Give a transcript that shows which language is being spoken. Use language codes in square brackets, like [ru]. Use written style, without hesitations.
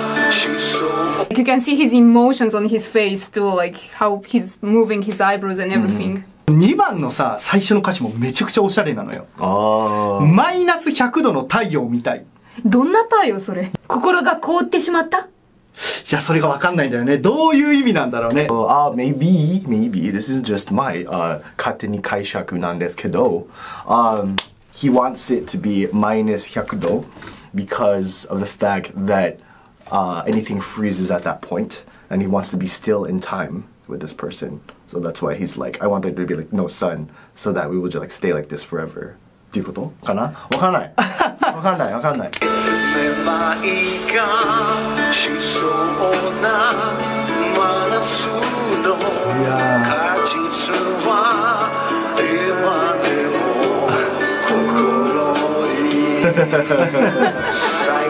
[en] You can see his emotions on his face too, like how he's moving his eyebrows and everything.、 [ja] 2番のさ、最初の歌詞もめちゃくちゃおしゃれなのよ。マイナス100度の太陽みたい。どんな太陽それ？心が凍ってしまった？いや、それがわかんないんだよね。どういう意味なんだろうね。 [en] Maybe this is just my、 [ja] 勝手に解釈なんですけど、 [en] he wants it to be minus 100度 because of the fact thatanything freezes at that point, and he wants to be still in time with this person. So that's why he's like, I want there to be like no sun, so that we will just like stay like this forever. [ja] っていうこと？かな？わかんない。わかんない。わかんない。めまいがしそうな真夏の果実は今でも心に咲いて。